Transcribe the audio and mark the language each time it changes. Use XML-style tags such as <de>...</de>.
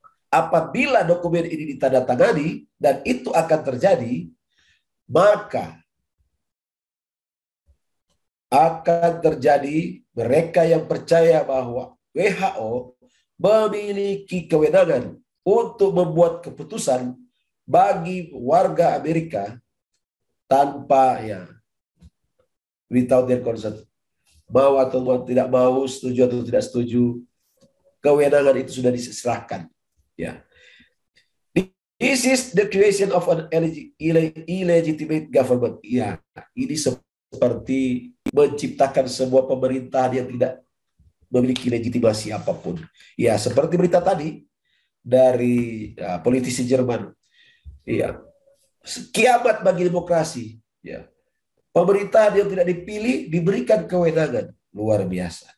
<id>Apabila dokumen ini ditandatangani dan itu akan terjadi, maka akan terjadi mereka yang percaya bahwa WHO memiliki kewenangan untuk membuat keputusan bagi warga Amerika tanpa ya</id> <en>without their consent,</en> <id>mau atau tidak mau, setuju atau tidak setuju, kewenangan itu sudah diserahkan.</id> <en>Ya, this is the creation of an illegitimate government.</en> <id>Ya, ini seperti menciptakan sebuah pemerintahan yang tidak memiliki legitimasi apapun. Ya, seperti berita tadi dari politisi Jerman. Ya, kiamat bagi demokrasi. Ya, pemerintahan yang tidak dipilih diberikan kewenangan luar biasa.</id>